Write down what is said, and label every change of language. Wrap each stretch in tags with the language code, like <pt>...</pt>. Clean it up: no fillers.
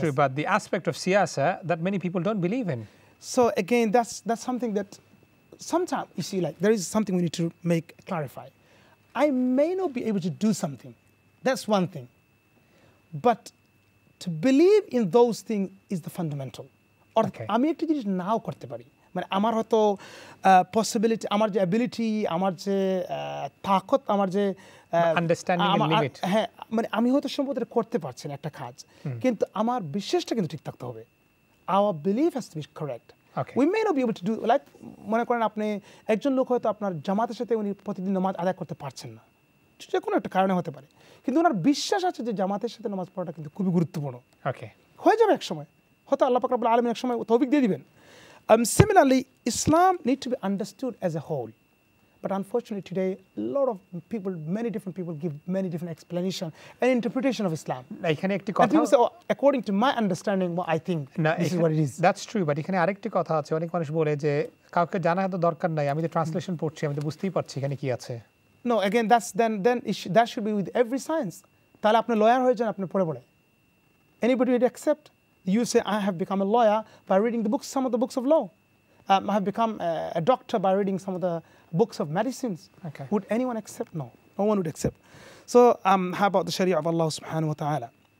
<en>True, but the aspect of siyasa that many people don't believe in. So again, that's something that sometimes, you see, like there is something we need to clarify. I may not be able to do something. That's one thing. But to believe in those things is the fundamental.</en> <bn>Or আমি একটা জিনিস নাও করতে পারি মানে আমার হয়তো possibility আমার যে অ্যাবিলিটি আমার যে তাকত আমার যে</bn> <en>understanding and limit</en> <bn>হ্যাঁ মানে আমি হয়তো সম্ভবত করতে পারছি না একটা কাজ কিন্তু আমার বিশ্বাসটা কিন্তু ঠিক থাকতে হবে</bn> <en>Our belief has to be correct Okay. We may not be able to do like</en> <bn>মনে করেন আপনি একজন লোক হয়তো আপনার জামাতের সাথে উনি প্রতিদিন নামাজ আদায় করতে পারছেন না যে কোনো একটা কারণে হতে পারে কিন্তু ওনার বিশ্বাস আছে যে জামাতের সাথে নামাজ পড়াটা কিন্তু খুবই গুরুত্বপূর্ণ</bn> <en>okay</en> <bn>হয়ে যাবে একসময় হয়তো আল্লাহ পাক রাব্বুল আলামিন একসময় তৌফিক দিয়ে দিবেন</bn> <en>similarly Islam need to be understood as a whole but unfortunately today lot of people many different people give many different explanation and interpretation of Islam</en> <bn>এখানে একটি কথা</bn> <en>according to my understanding বা I think this is what it is that's true but</en> <bn>এখানে আরেকটি কথা আছে অনেক মানুষ বলে যে কাউকে জানা তো দরকার নাই আমি তো ট্রান্সলেশন পড়ছি আমি তো বুঝতেই পারছি এখানে কি আছে</bn> <en>No, again, that should be with every science.</en> <bn>Tala apne lawyer hoye jan apne pore bole.</bn> <en>Anybody would accept? You say, I have become a lawyer by reading the books, some of the books of law. I have become a doctor by reading some of the books of medicines. Okay. Would anyone accept? No, no one would accept. So how about the Sharia of Allah subhanahu wa ta'ala?</en>